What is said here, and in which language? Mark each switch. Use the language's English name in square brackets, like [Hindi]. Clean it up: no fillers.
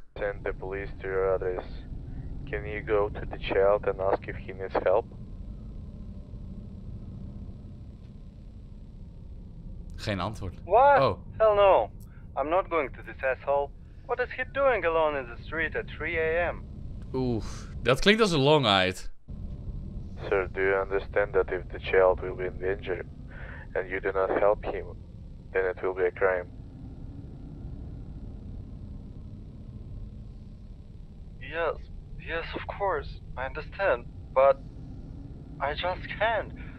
[English] Send the police to your address. Can you go to the child and ask if he needs help? [Dutch] Geen antwoord. [English] What? Oh. Hell no. I'm not going to this asshole. What is he doing alone in the street at 3 a.m.? [Dutch] Oef, dat klinkt als een [English] long eyed. Sir, do you understand that if the child will be in danger and you do not help him, then it will be a crime? Yes, yes, of course, I understand, but I just can't.